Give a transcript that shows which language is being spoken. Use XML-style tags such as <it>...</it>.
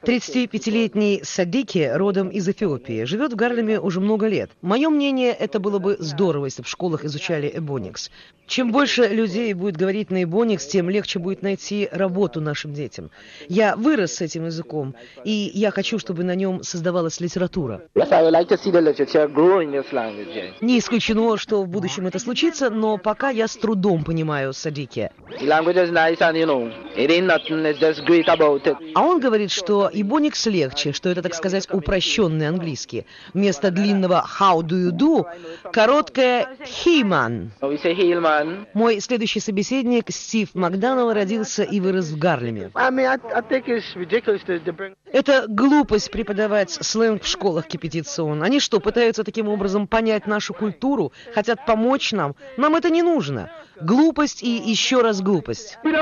<ru>35-летний Садики родом из Эфиопии, живет в Гарлеме уже много лет. Мое мнение, это было бы здорово, если бы в школах изучали эбоникс. Чем больше людей будет говорить на эбоникс, тем легче будет найти работу нашим детям. Я вырос с этим языком, и я хочу, чтобы на нем создавалась литература.</ru> <en>Yes, I would like to see the literature grow in this language.</en> <ru>Не исключено, что в будущем это случится, но пока я с трудом понимаю Садики.</ru> <en>The language is nice and, you know, it ain't nothing, it's just great.</en> <ru>А он говорит, что ибоникс легче, что это, так сказать, упрощенный английский. Вместо длинного «how do you do» — короткое «heeman». Мой следующий собеседник Стив Макдоналл родился и вырос в Гарлеме. Это глупость преподавать сленг в школах, кипятится он. Они что, пытаются таким образом понять нашу культуру, хотят помочь нам? Нам это не нужно. Глупость и еще раз глупость.</ru>